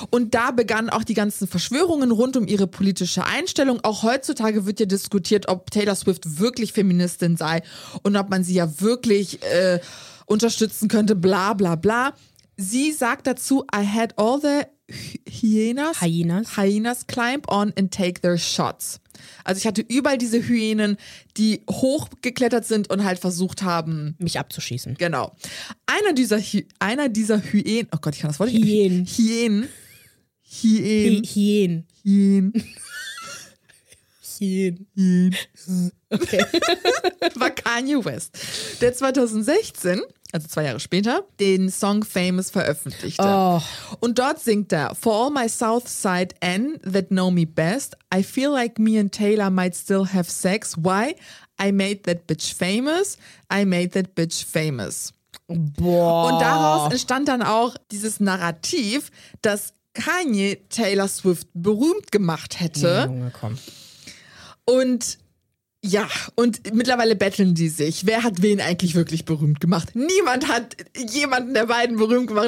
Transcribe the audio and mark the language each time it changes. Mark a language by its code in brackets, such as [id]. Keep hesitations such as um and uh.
[de] Und da begannen auch die ganzen Verschwörungen rund um ihre politische Einstellung. Auch heutzutage wird ja diskutiert, ob Taylor Swift wirklich Feministin sei und ob man sie ja wirklich äh, unterstützen könnte, bla bla bla. Sie sagt dazu, [en] I had all the Hyenas. Hyenas. Hyenas climb on and take their shots. [de] Also ich hatte überall diese Hyänen, die hochgeklettert sind und halt versucht haben, Mich abzuschießen. genau. Einer dieser, Hy einer dieser Hyänen, oh Gott, ich kann das Wort nicht. Hyänen. Hyänen. Hyänen. Hyen. Hyänen. Hyen. Hyänen. Okay. war Kanye West, der 2016, also zwei Jahre später, den Song Famous veröffentlichte. Oh. Und dort singt er, [en] For all my South Side N that know me best, I feel like me and Taylor might still have sex. Why? I made that bitch famous. I made that bitch famous. [de] Boah. Und daraus entstand dann auch dieses Narrativ, dass Kanye Taylor Swift berühmt gemacht hätte. Junge, komm. Und ja, und mittlerweile betteln die sich. Wer hat wen eigentlich wirklich berühmt gemacht? Niemand hat jemanden der beiden berühmt gemacht.